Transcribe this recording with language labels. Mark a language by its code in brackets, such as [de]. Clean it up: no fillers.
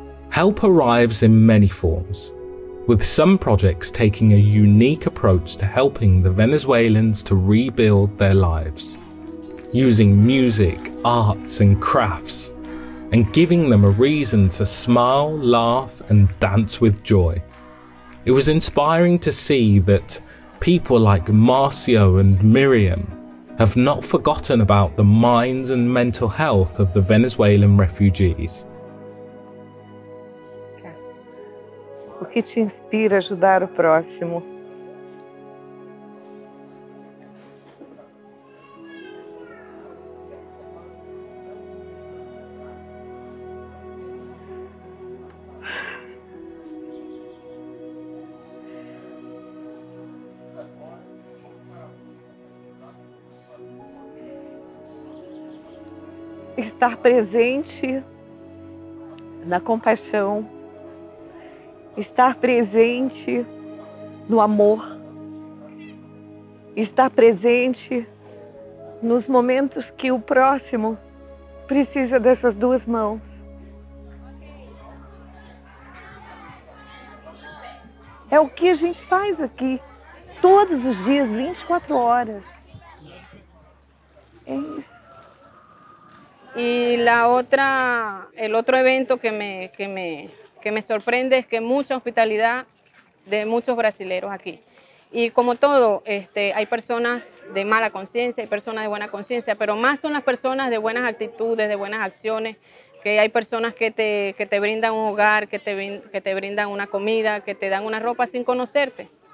[en] Help arrives in many forms, with some projects taking a unique approach to helping the Venezuelans to rebuild their lives, using music, arts and crafts, and giving them a reason to smile, laugh and dance with joy. It was inspiring to see that people like Marcio and Miriam have not forgotten about the minds and mental health of the Venezuelan refugees. [pt] O que te inspira a ajudar o próximo? Estar presente na compaixão. Estar presente no amor, estar presente nos momentos que o próximo precisa dessas duas mãos. É o que a gente faz aqui, todos os dias, 24 horas. É isso. E a outra, o outro evento [es] que me sorprende es que mucha hospitalidad de muchos brasileros aquí. Y como todo, hay personas de mala conciencia, hay personas de buena conciencia, pero más son las personas de buenas actitudes, de buenas acciones, que hay personas que te brindan un hogar, que te brindan una comida, que te dan una ropa sin conocerte.